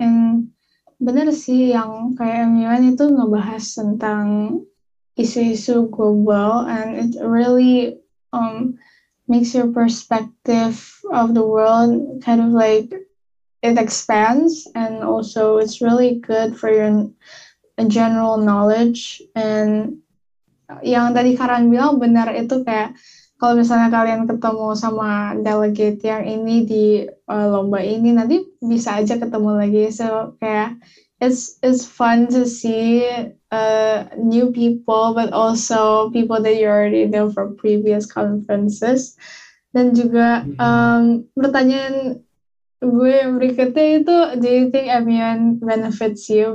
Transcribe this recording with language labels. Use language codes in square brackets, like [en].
[en] And [id] benar sih yang kayak MUN itu ngebahas tentang isu-isu global, [en] and it really makes your perspective of the world kind of like it expands, and also it's really good for your general knowledge. [id] And yang tadi Karan bilang benar, itu kayak kalau misalnya kalian ketemu sama delegate yang ini di lomba ini, nanti bisa aja ketemu lagi. [en] So [id] kayak [en] it's fun to see new people, but also people that you already know from previous conferences. [id] Dan juga pertanyaan gue berikutnya itu, [en] do you think MUN benefits you?